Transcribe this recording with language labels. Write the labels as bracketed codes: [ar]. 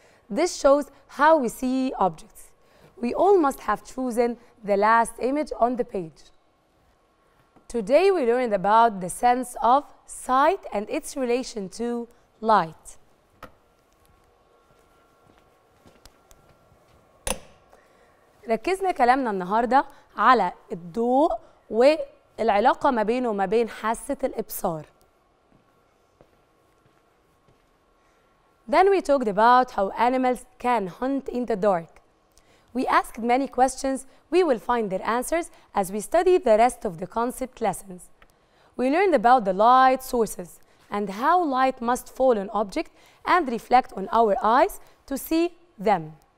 [en] This shows how we see objects. We all must have chosen the last image on the page. Today we learned about the sense of sight and its relation to light. [ar] ركزنا كلامنا النهاردة على الضوء والعلاقة ما بينه وما بين حاسة الإبصار. [en] Then we talked about how animals can hunt in the dark. We asked many questions. We will find their answers as we study the rest of the concept lessons. We learned about the light sources and how light must fall on object and reflect on our eyes to see them.